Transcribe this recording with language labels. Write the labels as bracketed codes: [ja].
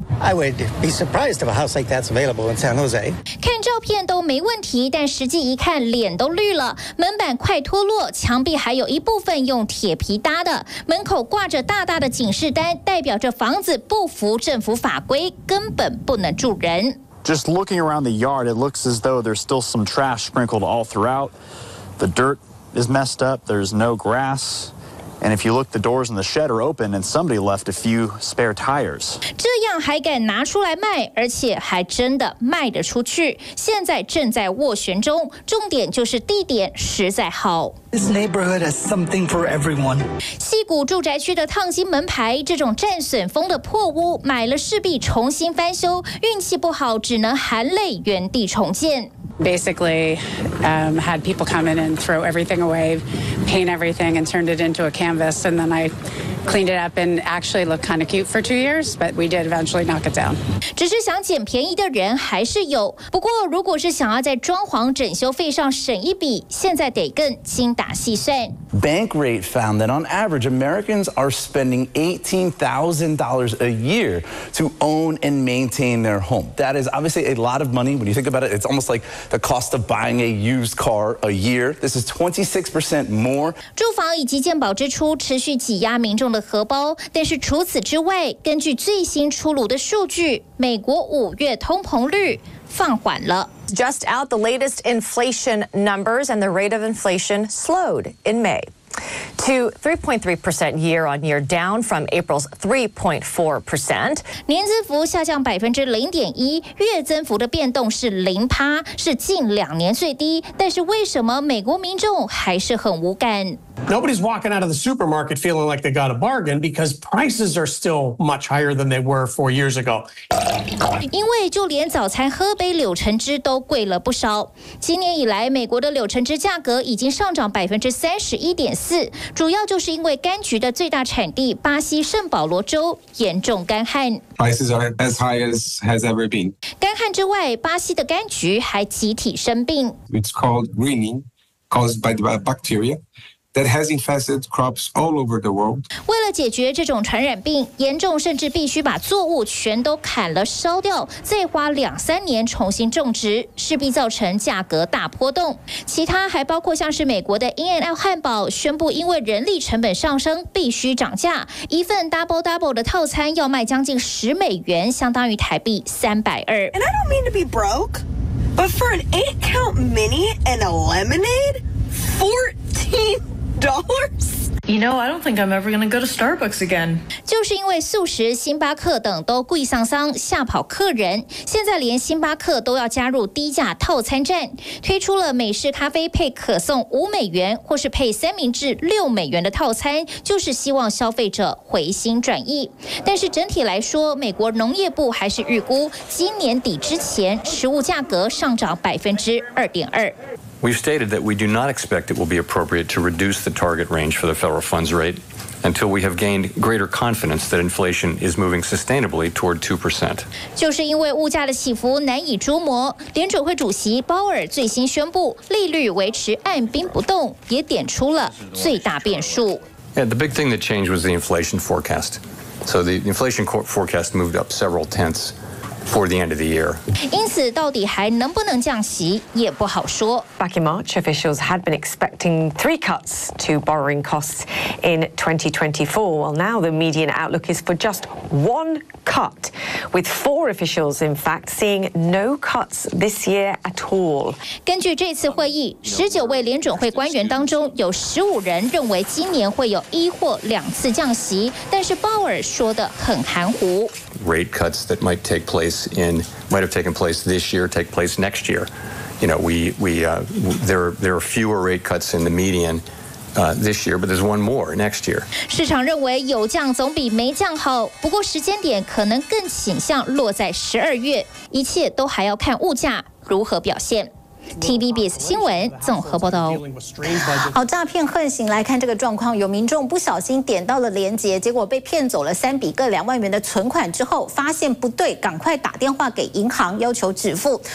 [en] I would be surprised if a house like that's available in San Jose. [zh] 看照片都没问题，但实际一看脸都绿了。门板快脱落，墙壁还有一部分用铁皮搭的。门口挂着大大的警示单，代表着房子不符政府法规，根本不能住人。 [en] Just looking around the yard, it looks as though there's still some trash sprinkled all throughout. The dirt is messed up, there's no grass. And if you look, the doors in the shed are open, and somebody left a few spare tires. [zh] 这样还敢拿出来卖，而且还真的卖得出去。现在正在斡旋中，重点就是地点实在好。 [en] This neighborhood has something for everyone. [zh] 矽谷住宅区的烫金门牌，这种战损风的破屋，买了势必重新翻修，运气不好只能含泪原地重建。 [en] Basically, had people come in and throw everything away, paint everything, and turned it into a canvas. And then I cleaned it up and actually looked kind of cute for 2 years. But we did eventually knock it down. [zh] 只是想捡便宜的人还是有。不过，如果是想要在装潢整修费上省一笔，现在得更精打细算。 [en] Bankrate found that on average, Americans are spending $18,000 a year to own and maintain their home. That is obviously a lot of money. When you think about it, it's almost like the cost of buying a used car a year. This is 26% more. [zh] 住房以及健保支出持续挤压民众的荷包。但是除此之外，根据最新出炉的数据，美国五月通膨率放缓了。 [en] Just out the latest inflation numbers, and the rate of inflation slowed in May to 3.3% year on year, down from April's 3.4%. [zh] 年增幅下降0.1%，月增幅的变动是0%，是近两年最低。但是为什么美国民众还是很无感？ [en] Nobody's walking out of the supermarket feeling like they got a bargain because prices are still much higher than they were 4 years ago. [zh] 因为就连早餐喝杯柳橙汁都贵了不少。今年以来，美国的柳橙汁价格已经上涨31.4%，主要就是因为柑橘的最大产地巴西圣保罗州严重干旱。 [en] Prices are as high as has ever been. [zh] 干旱之外，巴西的柑橘还集体生病。 [en] It's called greening, caused by the bacteria. That has infested crops all over the world. [zh] 为了解决这种传染病，严重甚至必须把作物全都砍了烧掉，再花2-3年重新种植，势必造成价格大波动。其他还包括像是美国的 In-N-Out 汉堡宣布，因为人力成本上升，必须涨价。一份 Double Double 的套餐要卖将近10美元，相当于台币320。 [en] And I don't mean to be broke, but for an 8-count mini and a lemonade, $14. You know, I don't think I'm ever going to go to Starbucks again. [zh] 就是因为速食、星巴克等都贵上上，吓跑客人。现在连星巴克都要加入低价套餐战，推出了美式咖啡配可颂5美元，或是配三明治6美元的套餐，就是希望消费者回心转意。但是整体来说，美国农业部还是预估今年底之前，食物价格上涨2.2%。 [en] We've stated that we do not expect it will be appropriate to reduce the target range for the federal funds rate until we have gained greater confidence that inflation is moving sustainably toward 2%. [zh] 就是因为物价的起伏难以捉摸，联准会主席鲍尔最新宣布利率维持按兵不动，也点出了最大变数。 [en] Yeah, the big thing that changed was the inflation forecast. So the inflation forecast moved up several tenths for the end of the year. [zh] 因此到底还能不能降息也不好说。 [en] Back in March, officials had been expecting three cuts to borrowing costs in 2024. Well, now the median outlook is for just one cut, with four officials, in fact, seeing no cuts this year at all. [zh] 根据这次会议，19位联准会官员当中有15人认为今年会有一或两次降息，但是鲍尔说的很含糊。 [en] Rate cuts that might take place in might have taken place this year take place next year. You know, there are fewer rate cuts in the median this year, but there's one more next year. [zh] 市场认为有降总比没降好，不过时间点可能更倾向落在12月，一切都还要看物价如何表现。 TVBS 新闻综合报道。好，诈骗横行，来看这个状况，有民众不小心点到了连结，结果被骗走了三笔各2万元的存款之后，发现不对，赶快打电话给银行要求止付。